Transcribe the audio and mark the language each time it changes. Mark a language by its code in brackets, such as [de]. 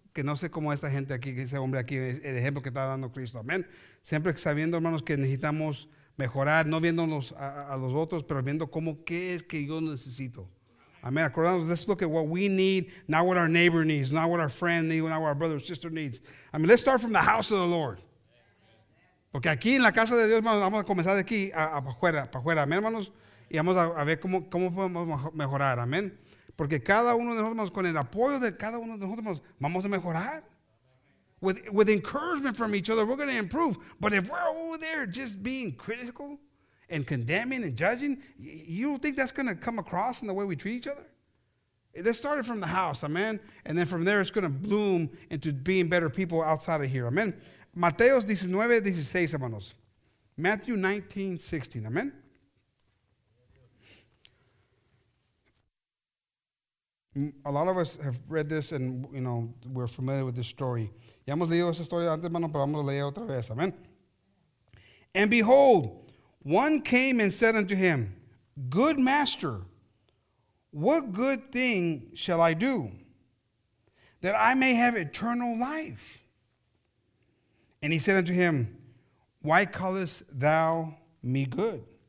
[es] Que no sé cómo esta gente aquí, ese hombre aquí, el ejemplo que está dando Cristo. Amén. Siempre sabiendo, hermanos, que necesitamos mejorar, no viéndonos a los otros, pero viendo cómo, qué es que yo necesito. Amén. Acordándonos, [en] let's look at what we need, not what our neighbor needs, not what our friend needs, not what our brother or sister needs. I mean, let's start from the house of the Lord. [es] Porque aquí en la casa de Dios, hermanos, vamos a comenzar de aquí a para afuera, amén, hermanos, y vamos a ver cómo podemos mejorar, amén. Porque cada uno de nosotros, con el apoyo de cada uno de nosotros, vamos a mejorar. [en] With encouragement from each other, we're going to improve. But if we're over there just being critical and condemning and judging, you don't think that's going to come across in the way we treat each other? This started from the house, amen? And then from there, it's going to bloom into being better people outside of here, amen? [es] Mateo 19, 16, hermanos. Matthew 19, 16, amen? [en] A lot of us have read this and, you know, we're familiar with this story. [es] Ya hemos leído esa historia antes, hermano, pero vamos a leer otra vez, amen? [en] And behold, one came and said unto him, Good master, what good thing shall I do that I may have eternal life? And he said unto him, Why callest thou me good?